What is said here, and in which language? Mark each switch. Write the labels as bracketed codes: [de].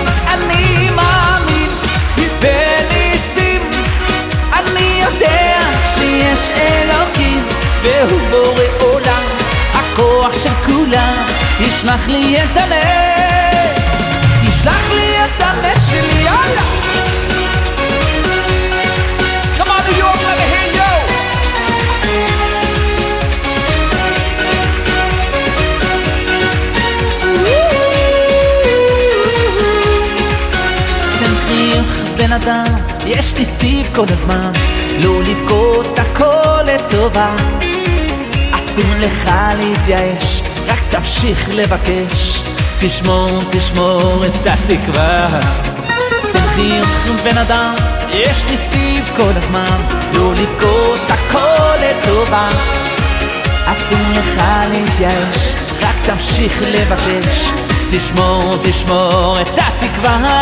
[he] אני מאמין בניסים, אני יודע שיש אלוקים, והוא בורא עולם, הכוח של כולם, ישלח לי את הנס, ישלח לי את הנס שלי, יאללה! [en] Come on, New York, let me hear you! [he] תן חיוך בן אדם, יש לי סיב כל הזמן, לא לבכות הכל לטובה, אסור לך להתייאש, רק תמשיך לבקש, תשמור, תשמור את התקווה תנחי אתכם בן אדם יש לי סיב כל הזמן לא לבכות הכל לטובה אסור לך להתייאש רק תמשיך לבקש תשמור, תשמור את התקווה